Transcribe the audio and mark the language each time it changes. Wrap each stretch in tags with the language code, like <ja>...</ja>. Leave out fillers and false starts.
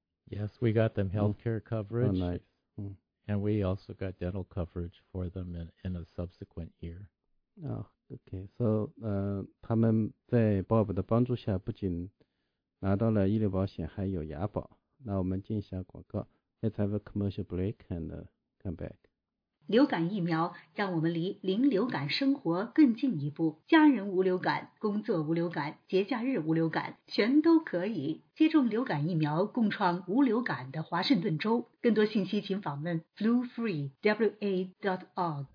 <en>Yes, we got them healthcare coverage. Oh, nice. And we also got dental coverage for them in a subsequent year. Oh, okay.</en> <zh>So, 他们在 Bob 的帮助下不仅拿到了医疗保险，还有牙保。那我们进一下广告。</zh> <en>Let's have a commercial break and come back.</en> <zh>流感疫苗让我们离零流感生活更进一步。家人无流感，工作无流感，节假日无流感，全都可以。接种流感疫苗，共创无流感的华盛顿州。更多信息请访问 flufreewa.org。</zh>